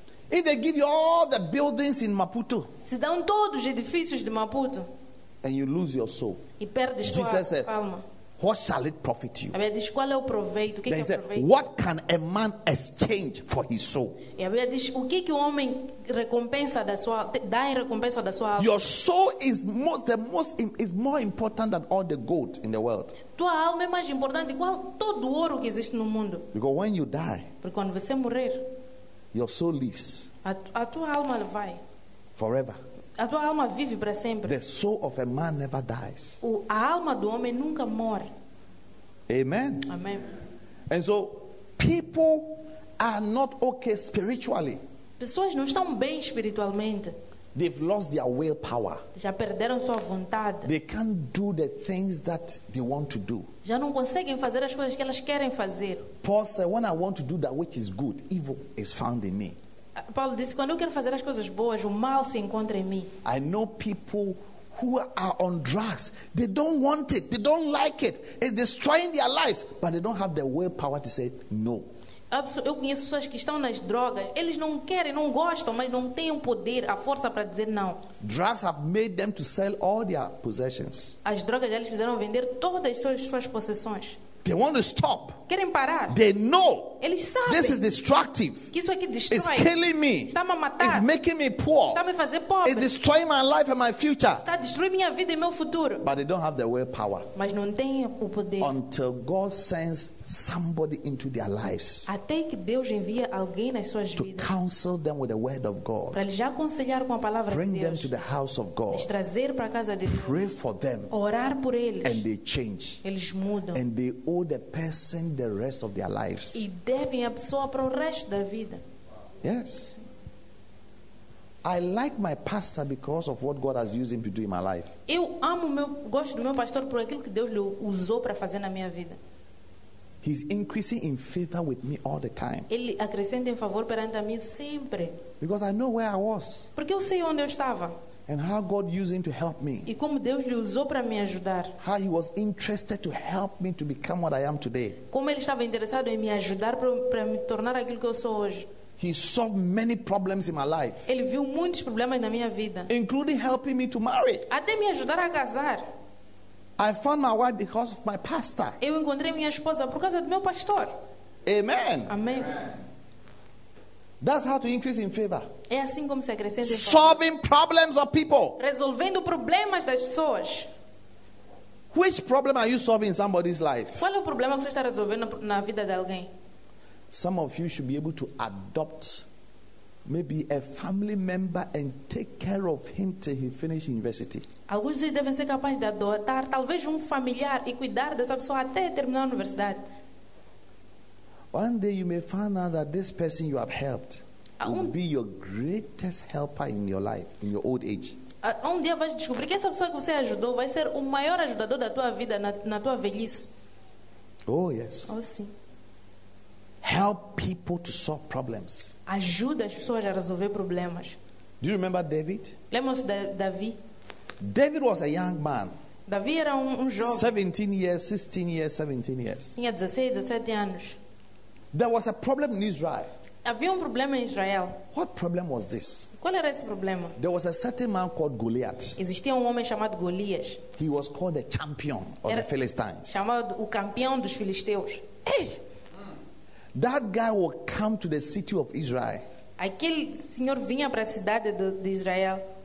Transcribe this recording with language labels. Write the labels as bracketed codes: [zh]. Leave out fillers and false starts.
[en] If they give you all the buildings in Maputo, [pt] se dão todos os edifícios de Maputo, [en] and you lose your soul, [pt] e perdes tua alma, [en] what shall it profit you? [pt] A Bíblia diz, qual é o proveito? [en] Then [pt] que [en] he said, [pt] proveito? [en] What can a man exchange for his soul? [pt] E a Bíblia diz, o que o homem recompensa da sua, dá em recompensa da sua alma? [en] Your soul is more important than all the gold in the world. [pt] Tua alma é mais importante do que todo o ouro que existe no mundo. [en] Because when you die, [pt] porque quando você morrer, [en] your soul lives. [pt] A tua alma vai. [en] Forever. [pt] A tua alma vive para sempre. [en] The soul of a man never dies. [pt] A alma do homem nunca morre. [en] Amen. [pt] Amen. [en] And so, people are not okay spiritually. [pt] Pessoas não estão bem espiritualmente. [en] They've lost their willpower. [pt] Já perderam sua vontade. [en] They can't do the things that they want to do. [pt] Já não conseguem fazer as coisas que elas querem fazer. [en] Paul said, "When I want to do that which is good, evil is found in me." [pt] Paulo disse, quando eu quero fazer as coisas boas, o mal se encontra em mim. [en] I know people who are on drugs. They don't want it. They don't like it. It's destroying their lives, but they don't have the willpower to say no. [pt] Eu conheço pessoas que estão nas drogas. Eles não querem, não gostam, mas não têm o poder, a força para dizer não. [en] Drugs have made them to sell all their possessions. [pt] As drogas já lhes fizeram vender todas as suas possessões. [en] They want to stop. [pt] Querem parar. [en] They know. [pt] Eles sabem. [en] This is destructive. [pt] Que isso aqui destrói. [en] It's killing me. [pt] Está a matar. [en] It's making me poor. [pt] Está a me fazer pobre. [en] It's destroying my life and my future. [pt] Está a destruir minha vida e meu futuro. [en] But they don't have the willpower. [pt] Mas não têm o poder. [en] Until God sends somebody into their lives. [pt] Até que Deus envia alguém nas suas vidas. [en] To counsel them with the word of God. [pt] Para lhes aconselhar com a palavra [en] Bring [pt] de Deus. [en] Bring them to the house of God. [pt] Lhes trazer para a casa de Deus. [en] Pray for them. [pt] Orar por eles. [en] And they change. [pt] Eles mudam. [en] And they owe the person the rest of their lives. [pt] E devem a pessoa para o resto da vida. [en] Yes. I like my pastor because of what God has used him to do in my life. [pt] Eu amo meu, gosto do meu pastor por aquilo que Deus lhe usou para fazer na minha vida. [en] He's increasing in favor with me all the time. [pt] Ele acrescenta em favor perante a mim sempre. [en] Because I know where I was. [pt] Porque eu sei onde eu estava. [en] And how God used him to help me. [pt] E como Deus lhe usou para me ajudar. [en] How he was interested to help me to become what I am today. [pt] Como ele estava interessado em me ajudar para me tornar aquilo que eu sou hoje. [en] He saw many problems in my life. [pt] Ele viu muitos problemas na minha vida. [en] Including helping me to marry. [pt] Até me ajudar a casar. [en] I found my wife because of my pastor. [pt] Eu encontrei minha esposa por causa do meu pastor. [en] Amen. [pt] Amém. [en] That's how to increase in favor. [pt] É assim como se acrescenta em favor. [en] Solving problems of people. [pt] Resolvendo problemas das pessoas. [en] Which problem are you solving in somebody's life? [pt] Qual é o problema que você está resolvendo na vida de alguém? [en] Some of you should be able to adopt maybe a family member and take care of him till he finishes university. [pt] Alguns de vocês devem ser capazes de adotar talvez familiar e cuidar dessa pessoa até terminar a universidade. [en] One day you may find out that this person you have helped will be your greatest helper in your life, in your old age. [pt] Um dia vais descobrir que essa pessoa que você ajudou vai ser o maior ajudador da tua vida na tua velhice. [en] Oh, yes. [pt] Oh, sim. [en] Help people to solve problems. [pt] Ajuda as pessoas a resolver problemas. [en] Do you remember David? [pt] Lembra-se de Davi? [en] David was a young man. [pt] Davi era um jovem. [en] 17 years. [pt] Tinha 16, 17 anos. [en] There was a problem in Israel. [pt] Havia problema em Israel. [en] What problem was this? [pt] Qual era esse problema? [en] There was a certain man called Goliath. [pt] Existia homem chamado Golias. [en] He was called the champion of the Philistines. [pt] Chamado o campeão dos filisteus. [en] Hey! That guy would come to the city of Israel. [pt] Aquele senhor vinha para a cidade de Israel.